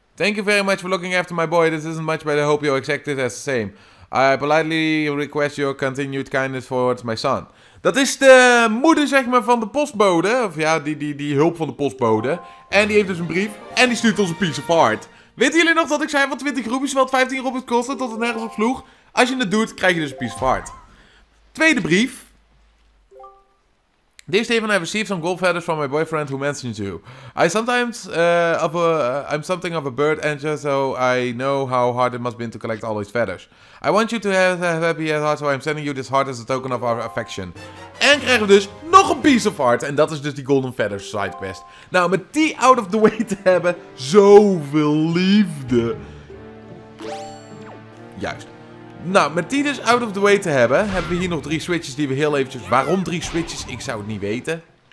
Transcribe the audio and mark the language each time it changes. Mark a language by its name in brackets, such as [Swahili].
[English] Thank you very much for looking after my boy. This isn't much, but I hope you accept it as the same. I politely request your continued kindness towards my son. [Dutch] Dat is de moeder, zeg maar, van de postbode. Of ja, die hulp van de postbode. En die heeft dus een brief. En die stuurt ons een piece of art. Weten jullie nog dat ik zei van 20 roepjes, wat 15 roepjes kostte, tot het nergens op sloeg? Als je het doet, krijg je dus een piece of art. Tweede brief. [English] This day when I received some gold feathers from my boyfriend who mentioned you. I sometimes, I'm something of a bird angel, so I know how hard it must be to collect all these feathers. I want you to have happy heart, so I'm sending you this heart as a token of our affection. [Dutch] En krijgen we dus nog een piece of art. En dat is dus die golden feathers sidequest. Nou, met die [English] out of the way [Dutch] te hebben, zoveel liefde. Juist. Nou, met die dus [English] out of the way [Dutch] te hebben, hebben we hier nog drie switches die we heel eventjes... Waarom drie switches? Ik zou het niet weten.